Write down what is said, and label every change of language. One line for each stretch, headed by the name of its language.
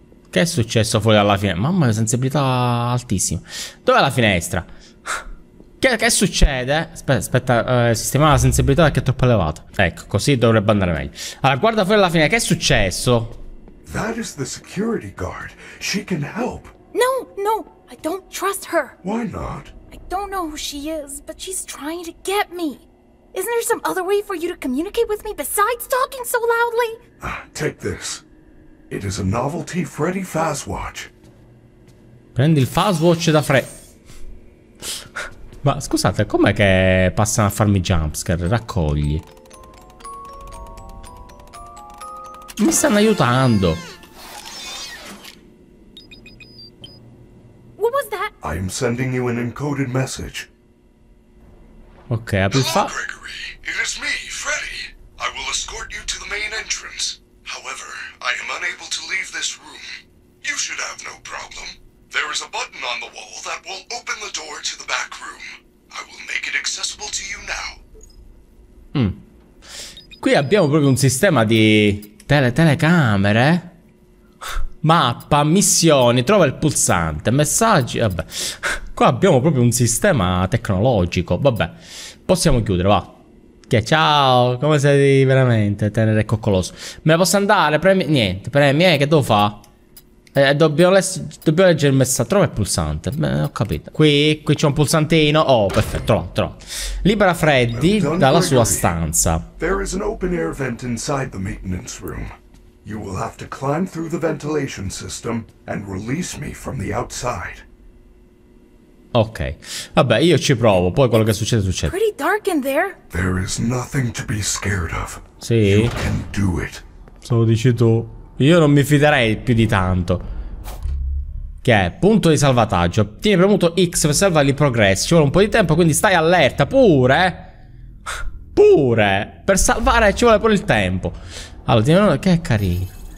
Italian: Che è successo fuori dalla finestra? Mamma mia, sensibilità altissima. Dov'è la finestra? Che succede? Aspetta, sistemare la sensibilità perché è troppo elevata. Ecco, così dovrebbe andare meglio. Allora, guarda fuori dalla finestra, che è successo?
English: That is the security guard. She can help. No, no, I don't trust her. Why not? I don't know who she is, but she's trying to get me. Isn't there some other way for you to communicate with me besides talking so loudly? Take this. It is a novelty Freddy Fazwatch.
Italian: Prendi il Fazwatch da Freddy. Ma scusate, com'è che passano a farmi jumpscare? Raccogli. Mi stanno aiutando.
English: I am sending you an encoded message. Okay, I'll be fine. Gregory, it is me, Freddy. I will escort you to the main entrance. However, I am unable to leave this room. You should have no problem. There is a button on the wall that will open the door to the back room. I will make it accessible to you now.
Italian: Qui abbiamo proprio un sistema di telecamere. Mappa, missioni, trova il pulsante, messaggi. Vabbè, qua abbiamo proprio un sistema tecnologico. Vabbè, possiamo chiudere, va. Che ciao, come sei veramente tenere e coccoloso. Me la posso andare? Premi, niente, premi, che devo fare? Dobbiamo leggere il messaggio. Trova il pulsante, beh, ho capito. Qui c'è un pulsantino, oh, perfetto, trova. Libera Freddy dalla sua stanza.
English: There is an open air vent inside the maintenance room. You will have to climb through the ventilation system and release me from the outside. Ok.
Italian: Vabbè, io ci provo, poi quello che succede succede.
English: Pretty dark in there. There is nothing to be scared of.
Italian: Sì.
English: You can do it.
Italian: So dici tu. Io non mi fiderei più di tanto. Che è punto di salvataggio. Tieni premuto X per salvare il progresso. Ci vuole un po' di tempo, quindi stai allerta pure. Pure. Per salvare ci vuole pure il tempo. Allora, che è carino.